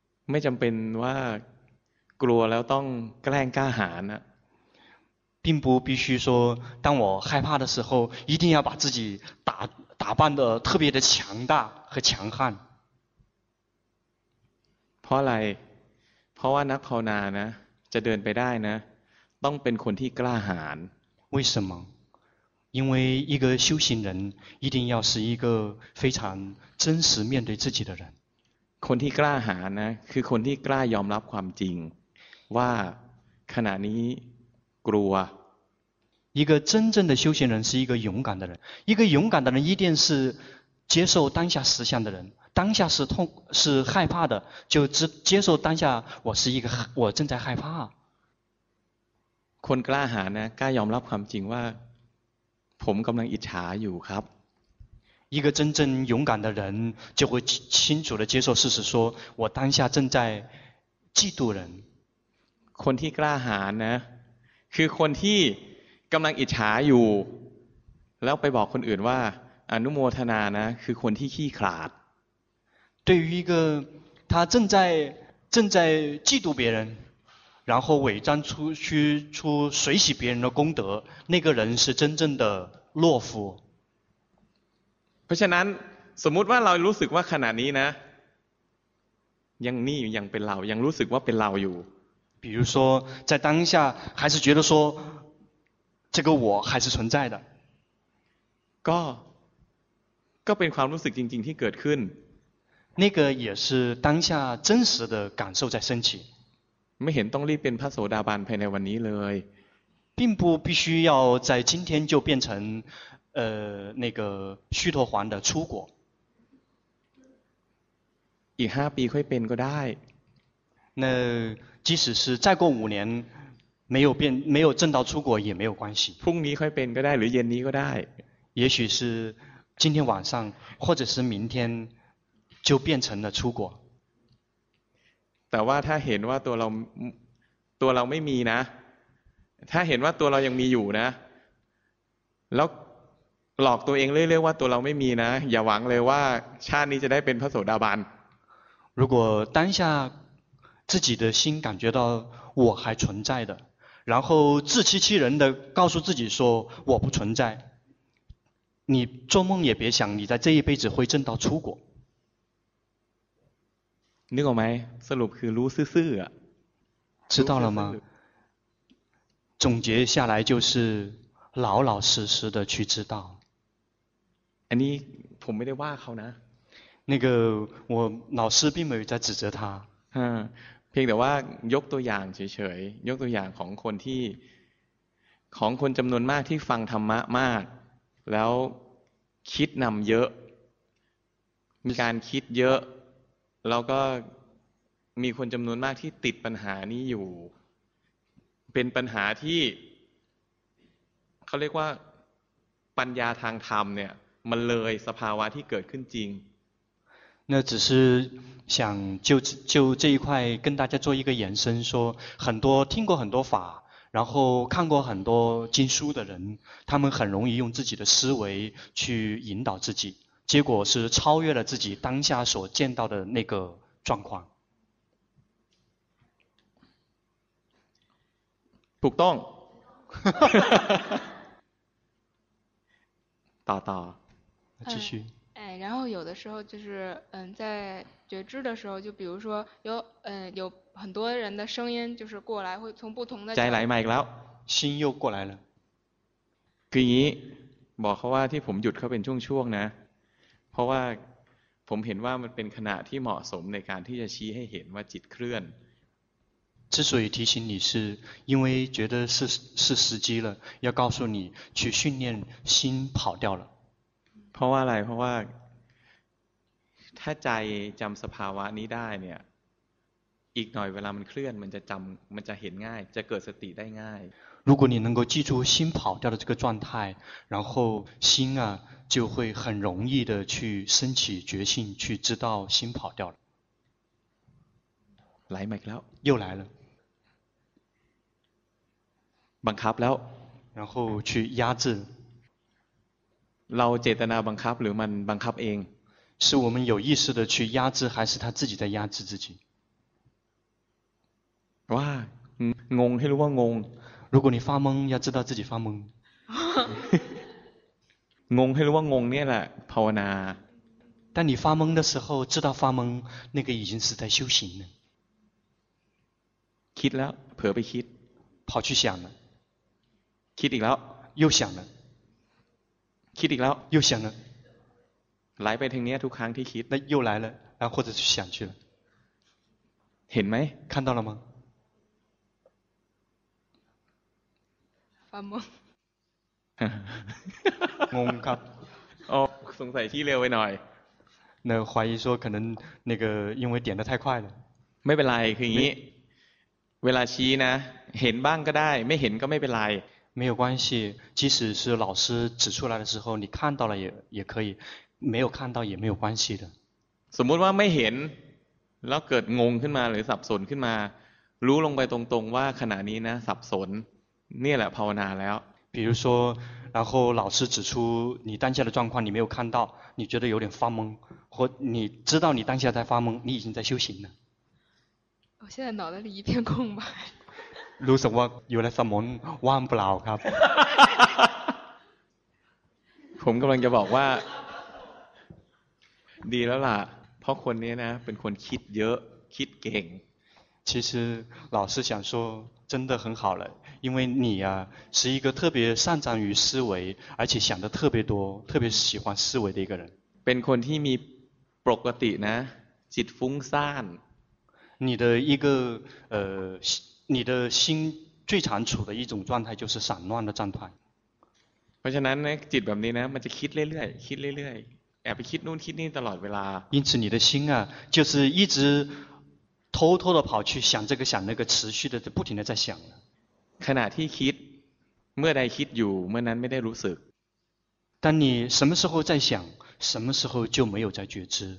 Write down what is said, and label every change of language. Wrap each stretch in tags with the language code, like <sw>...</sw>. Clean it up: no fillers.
<th>ไม่จำเป็นว่ากลัวแล้วต้องแกล้งกล้าหาญนะ</th> <zh>并不必须说当我害怕的时候一定要把自己打扮得特别的强大和强悍</zh> <th>เพราะอะไรเพราะว่านักภาวนานะจะเดินไปได้นะต้องเป็นคนที่กล้าหาญ</th> <zh>为什么因为一个修行人一定要是一个非常真实面对自己的人</zh> <th>คนที่กล้าหาญนะคือคนที่กล้ายอมรับความจริงว่าขณะนี้กลัว</th> <zh>一个真正的修行人是一个勇敢的人一个勇敢的人一定是接受当下实相的人当下是痛是害怕的就接受当下我正在害怕</zh> <th>คนกล้าหาญนะกล้ายอมรับความจริงว่าผมกำลังอิจฉาอยู่ครับ</th> <zh>一个真正勇敢的人就会清楚地接受事实说我当下正在嫉妒人</zh> <th>คนที่กล้าหาญนะคือคนที่กำลังอิจฉาอยู่แล้วไปบอกคนอื่นว่าอนุโมทนานะคือคนที่ขี้ขลาด</th> <zh>对于一个他正在嫉妒别人然后伪装出随喜别人的功德那个人是真正的懦夫</zh> <th>เพราะฉะนั้นสมมุติว่าเรารู้สึกว่าขณะนี้นะยังนี่ยังเป็นเรายังรู้สึกว่าเป็นเราอยู่</th> <zh>比如说在当下还是觉得说这个我还是存在的</zh> <th>ก็เป็นความรู้สึกจริงๆที่เกิดขึ้น</th> <zh>那个也是当下真实的感受在升起</zh> <th>ไม่เห็นต้องรีบเป็นพระโสดาบันภายในวันนี้เลย</th> <zh>并不必须要在今天就变成那个须陀洹的初果</zh> <th>อีก5ปีค่อยเป็นก็ได้</th> <zh>那即使是再过5年没有变，没有证到出果也没有关系。</zh> <th>พรุ่งนี้ค่อยเป็นก็ได้หรือเย็นนี้ก็ได้</th> <zh>也许是今天晚上或者是明天就变成了出果。</zh> <th>แต่ว่าถ้าเห็นว่าตัวเราไม่มีนะถ้าเห็นว่าตัวเรายังมีอยู่นะแล้วหลอกตัวเองเรื่อยๆว่าตัวเราไม่มีนะอย่าหวังเลยว่าชาตินี้จะได้เป็นพระโสดาบัน</th> <zh>如果当下自己的心感觉到我还存在的然后自欺欺人的告诉自己说我不存在你做梦也别想你在这一辈子会证到出果</zh> <th>นึกออกไหมสรุปคือรู้ซื่อๆอ่ะ</th> <zh>知道了吗总结下来就是老老实实的去知道</zh> <th>อันนี้ผมไม่ได้ว่าเขานะ</th> <zh>那个我老师并没有在指责他</zh> <th>เพียงแต่ว่ายกตัวอย่างเฉยๆยกตัวอย่างของคนที่ของคนจำนวนมากที่ฟังธรรมะมากแล้วคิดนำเยอะมีการคิดเยอะแล้วก็มีคนจำนวนมากที่ติดปัญหานี้อยู่เป็นปัญหาที่เขาเรียกว่าปัญญาทางธรรมเนี่ยมันเลยสภาวะที่เกิดขึ้นจริง</th> <zh>那只是想就这一块跟大家做一个延伸说很多听过很多法然后看过很多经书的人他们很容易用自己的思维去引导自己结果是超越了自己当下所见到的那个状况不动打打继续哎，然后有的时候就是，在觉知的时候，就比如说有，有很多人的声音就是过来，会从不同的。再来嘛，一个了，心又过来了。</zh> <th>คืออย่างนี้บอกเขาว่าที่ผมหยุดเขาเป็นช่วงๆนะเพราะว่าผมเห็นว่ามันเป็นขณะที่เหมาะสมในการที่จะชี้ให้เห็นว่าจิตเคลื่อน。</th> <zh>之所以提醒你是因为觉得是时机了，要告诉你去训练心跑掉了。</zh> <th>เพราะว่าอะไรเพราะว่าถ้าใจจำสภาวะนี้ได้เนี่ยอีกหน่อยเวลามันเคลื่อนมันจะจำมันจะเห็นง่ายจะเกิดสติได้ง่าย</th> <zh>如果你能够记住心跑掉的这个状态然后心啊就会很容易的去升起决心去知道心跑掉了</zh> <th>来มาอีกแล้ว</th> <zh>又来了</zh> <th>บังคับแล้ว</th> <zh>然后去压制</zh> <th>เราเจตนาบังคับหรือมันบังคับเอง</th> <zh>是我们有意识的去压制还是他自己在压制自己</zh> <th>ว่างงงให้รู้ว่างง</th> <zh>如果你发懵要知道自己发懵</zh> <th>งงให้รู้ว่างงเนี่ยแหละภาวนา</th> <zh>当你发懵的时候知道发懵那个已经是在修行了</zh> <th>คิดแล้วเผลอไปคิด</th> <zh>跑去想了</zh> <th>คิดอีกแล้ว</th> <zh>又想了</zh> <th>คิดอีกแล้ว</th> <zh>又想了</zh> <th>来ไปทางนี้ทุกครั้งที่คิด</th> <zh>那又来了然后或者是想去了</zh> <th>เห็นไหม</th> <zh>看到了吗发懵</zh> <th>งงครับ โอ้สงสัยที่เร็วไปหน่อย</th> <zh>那怀疑说可能那个因为点的太快了</zh> <th>ไม่เป็นไรคืออย่างนี้เวลาชี้นะเห็นบ้างก็ได้ไม่เห็นก็ไม่เป็นไร</th> <zh>没有关系即使是老师指出来的时候你看到了也可以没有看到也没有关系的</zh> <th>สมมติว่าไม่เห็นแล้วเกิดงงขึ้นมาหรือสับสนขึ้นมารู้ลงไปตรงๆว่าขณะนี้นะสับสนเนี่ยแหละภาวนาแล้ว</th> <zh>比如说然后老师指出你当下的状况你没有看到你觉得有点发懵或你知道你当下在发懵你已经在修行了我现在脑袋里一片空白</zh> <th>รู้สึกว่าอยู่ในสมองว่างเปล่าครับ ผมกำลังจะบอกว่าดีแล้วล่ะเพราะคนนี้นะเป็นคนคิดเยอะคิดเก่ง</th> <zh>其实老师想说真的很好了因为你啊是一个特别擅长于思维而且想的特别多特别喜欢思维的一个人</zh> <th>เป็นคนที่มีปกตินะจิตฟุ้งซ่าน</th> <zh>你的一个你的心最常处的一种状态就是散乱的状态。</zh> <th>เพราะฉะนั้นจิตแบบนี้นะมันจะคิดเรื่อยๆคิดเรื่อยๆแอบไปคิดนู่นคิดนี่ตลอดเวลา</th> <zh>因此你的心啊就是一直偷偷的跑去想这个想那个持续的不停的在想</zh> <th>ขณะที่คิดเมื่อใดคิดอยู่เมื่อนั้นไม่ได้รู้สึก</th> <zh>当你什么时候在想什么时候就没有在觉知</zh>